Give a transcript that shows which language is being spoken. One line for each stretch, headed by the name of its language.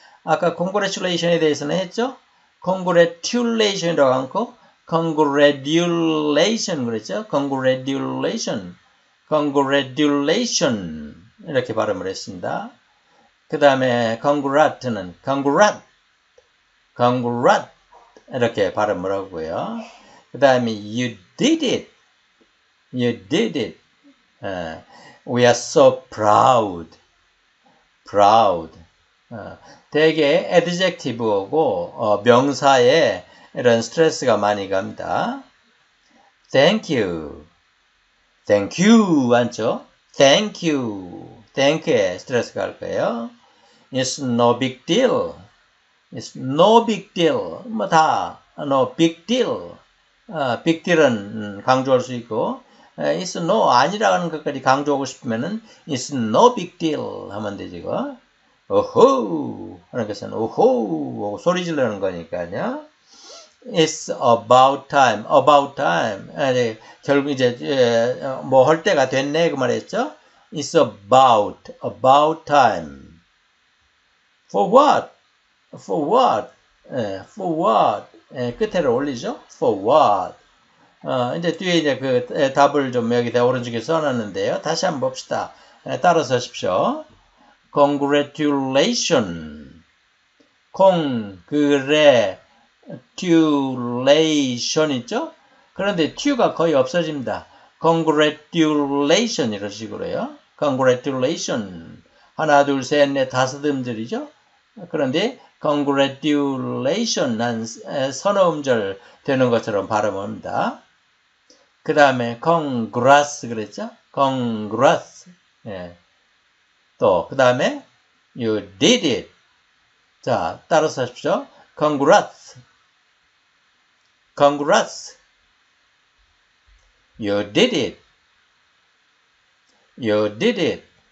Korean: 아까 congratulation에 대해서는 했죠? congratulation이라고 안고 congratulation 그랬죠? congratulation, congratulation 이렇게 발음을 했습니다. 그 다음에 congrat는 congrat, congrat 이렇게 발음을 하고요. 그 다음에
English: you did it. You did it. We are so proud. Proud.
Korean: 대개 adjective 오고 명사에 이런 스트레스가 많이 갑니다.
English: Thank you. Thank you. 맞죠? Thank you.
Korean: Thank에 스트레스가 갈 거예요.
English: It's no big deal. It's no big deal.
Korean: 뭐다
English: no big deal.
Korean: Big deal은 강조할 수 있고. It's no, 아니라는 것까지 강조하고 싶으면은
English: It's no big deal
Korean: 하면 되지, 이거. 오호! 하는 것은 오호! 소리 지르는 거니까요.
English: It's about time, about time.
Korean: 아니, 결국 이제 뭐할 때가 됐네 그 말했죠.
English: It's about time. For what? For what?
Korean: 예,
English: for what?
Korean: 예, 끝에를 올리죠.
English: For what?
Korean: 이제 뒤에 이제 그 답을 좀 여기다 오른쪽에 써놨는데요. 다시 한번 봅시다. 예, 따라서 하십시오. Congratulation. Congratulation 있죠? 그런데 to가 거의 없어집니다. Congratulation 이런 식으로요.
English: Congratulation.
Korean: 하나, 둘, 셋, 넷, 다섯 음절이죠? 그런데 Congratulation 한 서너 음절 되는 것처럼 발음합니다. 그 다음에 Congrats 그랬죠?
English: Congrats. 예.
Korean: 또그 다음에
English: You did it.
Korean: 자, 따라서 하십시오.
English: Congrats. Congrats. You did it. You did it.